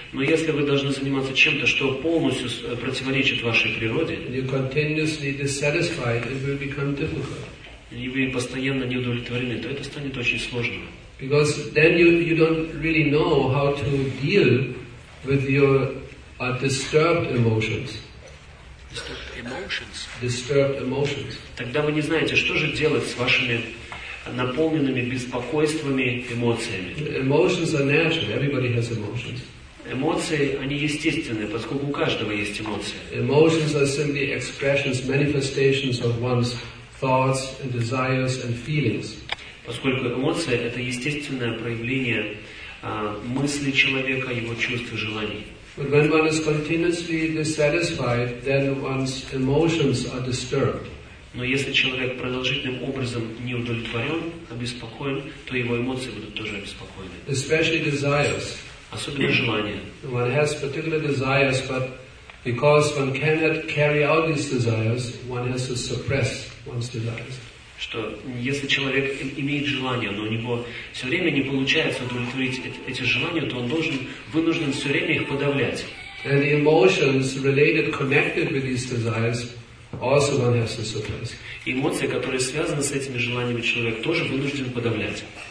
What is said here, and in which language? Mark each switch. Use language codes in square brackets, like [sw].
[ru] но если вы должны заниматься чем-то, что полностью противоречит вашей природе, [en] you continuously dissatisfied, it will become difficult. [ru] И вы постоянно не удовлетворены, то это станет очень сложным. [en] Because then you don't really know how to deal with your disturbed emotions. Disturbed emotions. [ru] Тогда вы не знаете, что же делать с вашими наполненными беспокойствами эмоциями. [en] Emotions are natural. Everybody has emotions. [ru] Эмоции, они естественны, поскольку у каждого есть эмоции. [en] Emotions are simply expressions, manifestations of one's thoughts and desires and feelings. [ru] Поскольку эмоции — это естественное проявление мысли человека, его чувств и желаний. [en] But when one is continuously dissatisfied, then one's emotions are disturbed. [ru] Но если человек продолжительным образом не удовлетворен, обеспокоен, то его эмоции будут тоже обеспокоены. [en] Especially desires. [ru] Особенно желания. [en] One has particular desires, but because one cannot carry out these desires, one has to suppress one's desires. [ru] Что если человек имеет желание, но у него все время не получается удовлетворить эти желания, то он вынужден все время их подавлять. [en] And the emotions related, connected with these desires, also one has to suppress. [ru] Эмоции, которые связаны с этими желаниями, человек тоже вынужден подавлять.